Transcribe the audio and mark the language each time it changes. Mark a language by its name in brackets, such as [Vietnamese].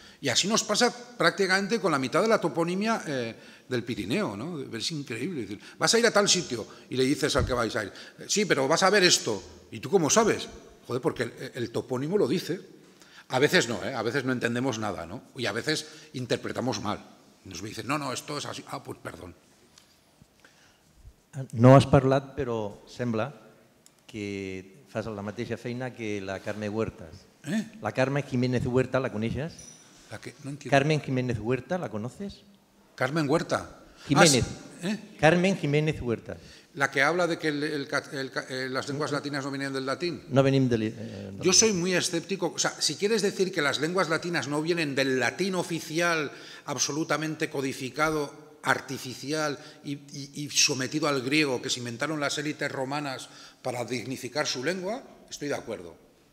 [Spanish] Y así nos pasa prácticamente con la mitad de la toponimia del Pirineo, ¿no? Es increíble. Es decir, vas a ir a tal sitio y le dices al que vais a ir, sí, pero vas a ver esto. ¿Y tú cómo sabes? Joder, porque el topónimo lo dice. A veces no, ¿eh? A veces no entendemos nada, ¿no? Y a veces interpretamos mal. Nos dicen, no, esto es así. Ah, pues perdón. [Catalan] No has parlat, però sembla que fas la mateixa feina que la Carme Huertas. La Carme Jiménez Huerta, ¿la coneixes? [Spanish] La que, no entiendo. Carmen Jiménez Huerta, ¿la conoces? Carmen Huerta. Jiménez. Carmen Jiménez Huerta. La que habla de que las lenguas latinas no vienen del latín. [Catalan] No venim del... [Spanish] Yo soy muy escéptico. O sea, si quieres decir que las lenguas latinas no vienen del latín oficial, absolutamente codificado, artificial y sometido al griego, que se inventaron las élites romanas para dignificar su lengua, estoy de acuerdo.